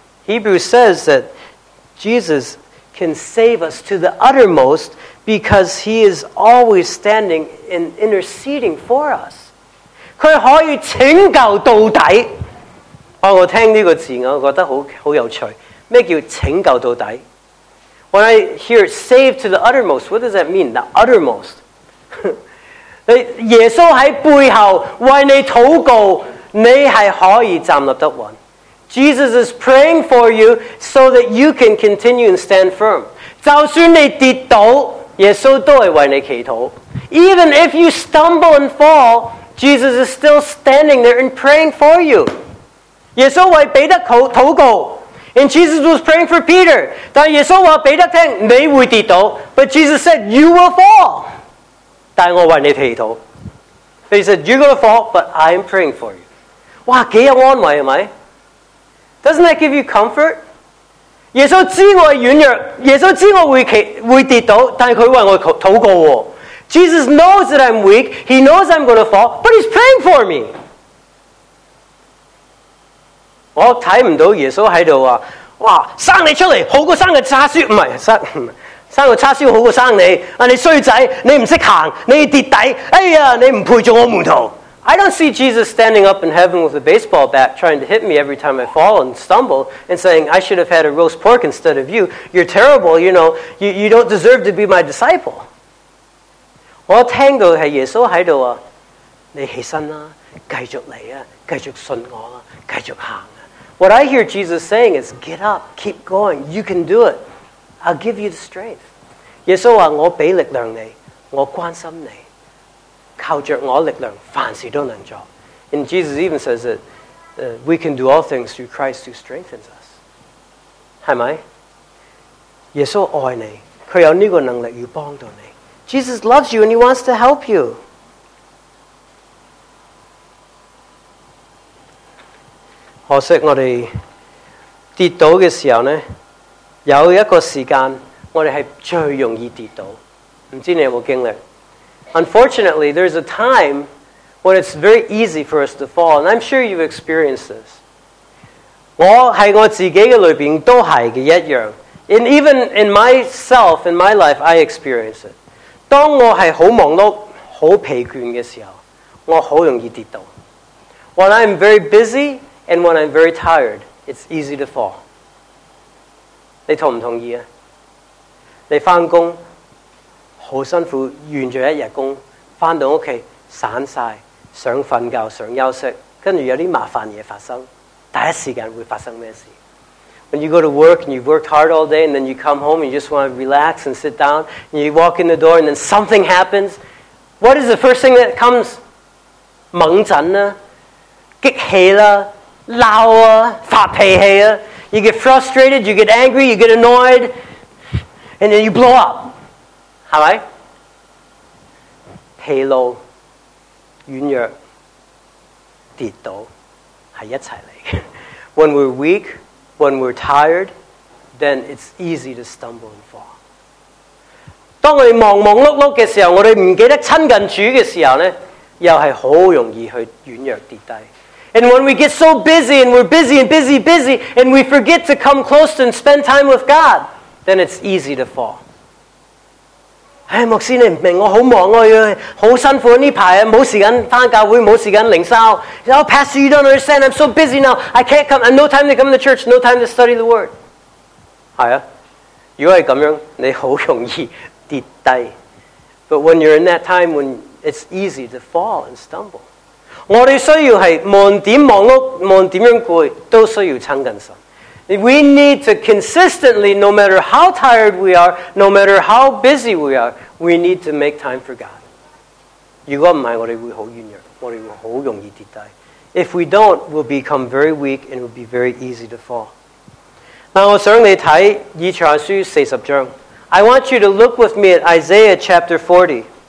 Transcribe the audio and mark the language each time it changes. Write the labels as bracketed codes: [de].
[en] Hebrews says that Jesus can save us to the uttermost because he is always standing and interceding for us. [yue] 他可以拯救到底, 啊，我听这个字我觉得 很有趣，什么叫拯救到底？ [en] When I hear save to the uttermost, what does that mean? The uttermost. [yue] 耶稣在背后为你祷告，你是可以站立得稳。 [en] Jesus is praying for you so that you can continue and stand firm. [yue] 就算你跌倒，耶稣都会为你祈祷。 [en] Even if you stumble and fall, Jesus is still standing there and praying for you. [yue] 耶稣为彼得祷告， [en] and Jesus was praying for Peter. [yue] 但耶稣告诉彼得听，你会跌倒， [en] but Jesus said, you will fall. [yue] 但我为你祈祷。 [en] He said, you're going to fall, but I am praying for you. [yue] 哇，几有安慰，是吗？ [en] Doesn't that give you comfort? [yue] 耶稣知我软弱，耶稣知我 会跌倒，但他为我祷告。 [en] Jesus knows that I'm weak, he knows I'm going to fall, but he's praying for me. [yue] 我看不到耶稣在这里说，哇，生你出来好过生个叉烧，不是，生个叉烧好过生你，你衰仔，你不懂行，你跌底，哎呀，你不配做我门徒。 [en] I don't see Jesus standing up in heaven with a baseball bat trying to hit me every time I fall and stumble and saying, I should have had a roast pork instead of you. You're terrible, you know, you don't deserve to be my disciple. [yue] 我听到是耶稣在这里，你起身啦，继续来啊，继续信我啦，继续行啊。 [en] What I hear Jesus saying is, get up, keep going, you can do it. I'll give you the strength. [yue] 耶稣说，我给力量你，我关心你。靠着我力量，凡事都能做。 [en] And Jesus even says that we can do all things through Christ who strengthens us. [yue] 是吗？耶稣爱你，他有这个能力要帮助你。 [en] Jesus loves you and he wants to help you. [yue] 可惜我们跌倒的时候呢，有一个时间我们是最容易跌倒。不知道你有没有经历？ [en] Unfortunately, there's a time when it's very easy for us to fall, and I'm sure you've experienced this. [yue] 我在我自己的里面都是一样。 [en] And even in myself, in my life, I experience it. [yue] 当我是很忙碌、很疲倦的时候，我很容易跌倒。 [en] When I'm very busy and when I'm very tired, it's easy to fall. [yue] 你同不同意啊？你翻工好辛苦，完咗一日工，翻到屋企散晒，想瞓觉，想休息，跟住有啲麻烦嘢发生，第一时间会发生咩事 ？ [en] When you go to work and you've worked hard all day, and then you come home and you just want to relax and sit down, and you walk in the door and then something happens, what is the first thing that comes？ [yue] 猛震啦，激气啦，闹啊，发脾气啊 [en] ，you get frustrated, you get angry, you get annoyed, and then you blow up。是吧？ [yue] 疲劳、软弱、跌倒，是一起来的。 [en] When we're weak, when we're tired, then it's easy to stumble and fall. [yue] 当我们忙忙碌碌的时候，我们不记得亲近主的时候呢，又是很容易去软弱跌低。 [en] And when we get so busy, and we're busy and busy, busy, and we forget to come close and spend time with God, then it's easy to fall. [yue] 哎，牧师，你唔明我好忙，我要好辛苦呢排啊，冇时间翻教会，冇时间灵修。 [en] Oh, Pastor, you don't understand. I'm so busy now. I can't come. I've no time to come to church. No time to study the word. [yue] 系啊，如果系咁样，你好容易跌低。 [en] But when you're in that time when it's easy to fall and stumble, [yue] 我哋需要系忙点忙碌，忙点样攰，都需要亲近神。 [en] We need to consistently, no matter how tired we are, no matter how busy we are, we need to make time for God. [yue] 如果不是，我们会很软弱，我们会很容易跌倒。 [en] If we don't, we'll become very weak and it'll be very easy to fall. [yue] 那我想你看以赛亚书四十章。 [en] I want you to look with me at Isaiah chapter 40.